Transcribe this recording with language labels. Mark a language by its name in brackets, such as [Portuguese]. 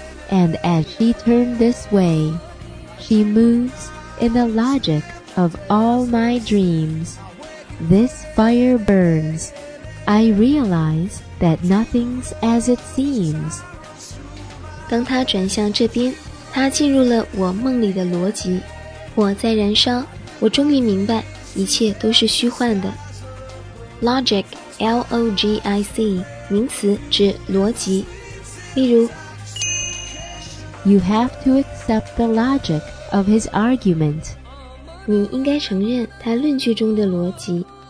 [English] And as she turned this way,She moves in the logic of all my dreams. This fire burns. I realize that nothing's as it seems. [Chinese] 当他转向这边，他进入了我梦里的逻辑。火在燃烧，我终于明白一切都是虚幻的。 Logic, L-O-G-I-C, 名词，指逻辑。例如 [English] You have to accept the logic. Of his argument. [Chinese] 你应该承认他论据中的逻辑。